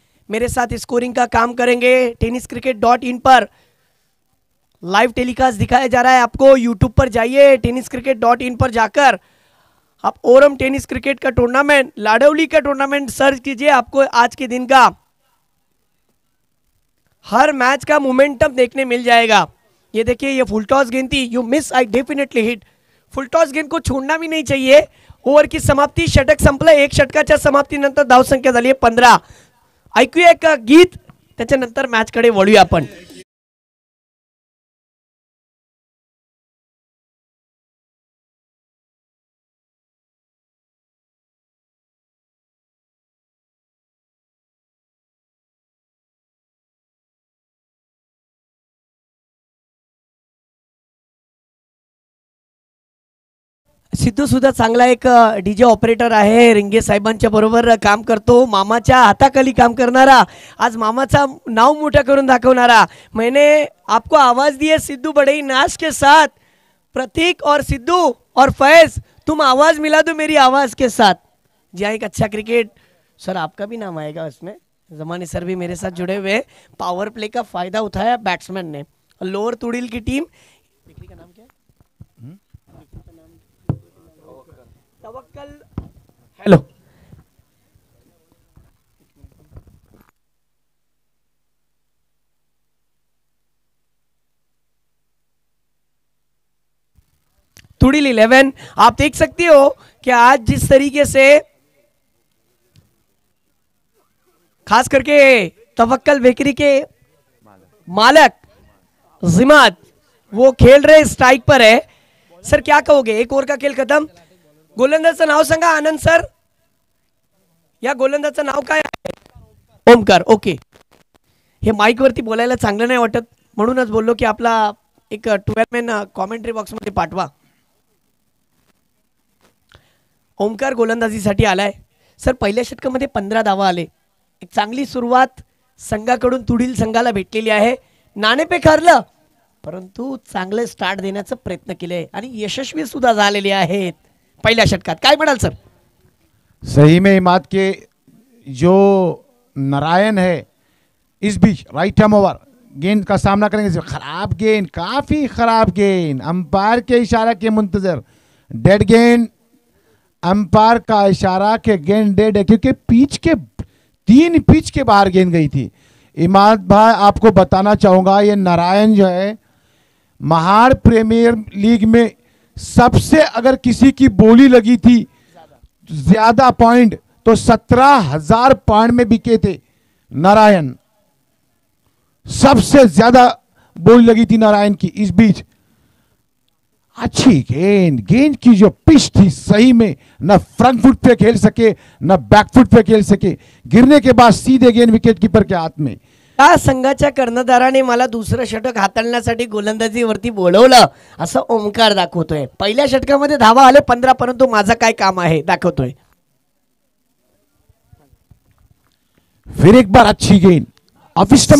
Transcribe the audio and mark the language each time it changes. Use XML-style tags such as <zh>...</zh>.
<hi>मेरे साथ स्कोरिंग का काम करेंगे tenniscricket.in पर, लाइव टेलीकास्ट दिखाया जा रहा है आपको, यूट्यूब पर जाइए tenniscricket.in पर जाकर आप ओरम टेनिस क्रिकेट का टूर्नामेंट, लाडौली का टूर्नामेंट सर्च कीजिए, आपको आज के दिन का हर मैच का मोमेंटम देखने मिल जाएगा। ये देखिए ये फुल टॉस गेंद थी, you miss I definitely hit, full toss गेंद को छोड़ना भी नहीं चाहिए।</hi> <mr>ओवर की समाप्ति, षटक संपला, एक षटकाच्या समाप्तीनंतर धाव संख्या झाली 15। ऐकूया एक गीत, त्याच्यानंतर मॅच कडे वळूया आपण। सिद्धू सुद्धा चांगला एक डीजे ऑपरेटर आहे, रिंगे साहेबांच्या बरोबर काम करतो, मामाच्या हाताखाली काम करणारा, आज मामाचा नाव मोठा करून दाखवणारा।</mr> <hi>मैंने आपको आवाज दिए सिद्धू बड़े ही नाश के साथ, प्रतीक और सिद्धू और फैज तुम आवाज मिला दो मेरी आवाज के साथ। जी हाँ, एक अच्छा क्रिकेट सर आपका भी नाम आएगा उसमें, जमाने सर भी मेरे साथ जुड़े हुए, पावर प्ले का फायदा उठाया बैट्समैन ने, लोअर तुड़िल की टीम तवक्कल। हेलो, थोड़ी ली 11। आप देख सकते हो कि आज जिस तरीके से खास करके तवक्कल बेकरी के मालक जिमात वो खेल रहे स्ट्राइक पर है, सर क्या कहोगे? एक ओवर का खेल खत्म,</hi> <mr>गोलंदाजचं नाव सांगा आनंद सर, या गोलंदाजचं नाव काय आहे? ओमकर। ओके, हे माइक वरती बोलायला चांगलं नाही वाटत म्हणूनच बोललो की आपला एक 12 मॅन कॉमेंट्री बॉक्स मध्ये पाठवा। ओमकर गोलंदाजीसाठी आलाय सर, पहिल्या षटकामध्ये 15 धावा आले, एक चांगली सुरुवात संघाकडून तुडील संघाला भेटलेली आहे, नाणेफेक हरलं परंतु चांगले स्टार्ट देण्याचा प्रयत्न केलाय आणि यशस्वी सुद्धा झालेले आहेत पहिल्या षटकात। काय म्हणाल सर?</mr> <hi>सही में इमाद के जो नारायण है, इस बीच राइट हम ओवर गेंद का सामना करेंगे, खराब गेंद, काफी खराब गेंद, अंपायर के इशारा के मुंतजर, डेड गेंद, अंपायर का इशारा के गेंद डेड है क्योंकि पिच के तीन पिच के बाहर गेंद गई थी। इमाद भाई आपको बताना चाहूंगा, ये नारायण जो है महार प्रीमियर लीग में सबसे अगर किसी की बोली लगी थी ज्यादा पॉइंट तो 17,000 पॉइंट में बिके थे नारायण, सबसे ज्यादा बोली लगी थी नारायण की। इस बीच अच्छी गेंद, गेंद की जो पिच थी सही में न फ्रंट फुट पे खेल सके न बैक फुट पे खेल सके, गिरने के बाद सीधे गेंद विकेट कीपर के हाथ में।</hi> <mr>संघाच्या कर्णधाराने मला दुसरं षटक हाताळण्यासाठी गोलंदाजीवरती बोलवलं असं ओंकार दाखवतोय, पहिल्या षटकामध्ये धावा आले 15 परंतु माझं काय काम आहे दाखवतोय।</mr> <hi>फिर एक बार अच्छी गेंद, अफिस्टम</hi>